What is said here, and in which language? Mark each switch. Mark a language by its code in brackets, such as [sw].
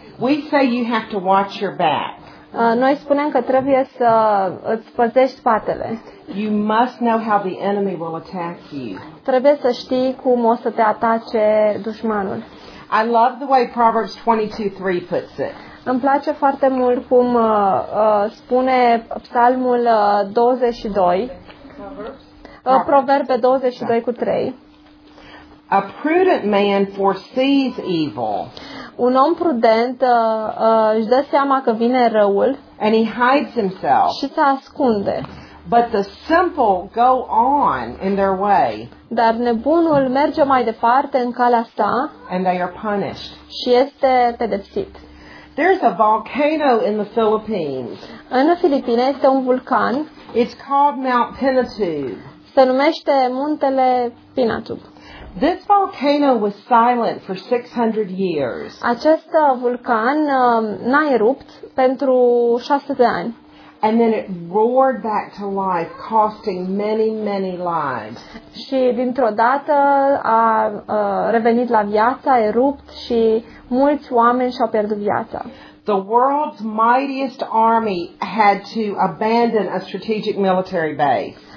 [en] We say you have to watch your back. [ro] Noi spunem că trebuie să îți păzești spatele. [en] You must know how the enemy will attack you. [ro] Trebuie să știi cum o să te atace dușmanul. [en] I love the way Proverbs 22:3 puts it. [ro] Îmi place foarte mult cum spune Psalmul 22. Proverbe 22:3. [en] A prudent man foresees evil. [ro] Un om prudent își dă seama că vine răul. [en] And he hides himself. [ro] Și se ascunde. [en] But the simple go on in their way. [ro] Dar nebunul merge mai departe în calea sa. [en] And they are punished. [ro] Și este pedepsit. [en] There's a volcano in the Philippines. [ro] În Filipine este un vulcan. [en] It's called Mount Pinatubo. [ro] Se numește muntele Pinatubo. [en] This volcano was silent for 600 years. [ro] Acest vulcan n-a erupt pentru 600 de ani. [en] And then it roared back to life, costing many, many lives. [ro] Și dintr-o dată a revenit la viață, a erupt și mulți oameni și-au pierdut viața. [en] The world's mightiest army had to abandon a strategic military base.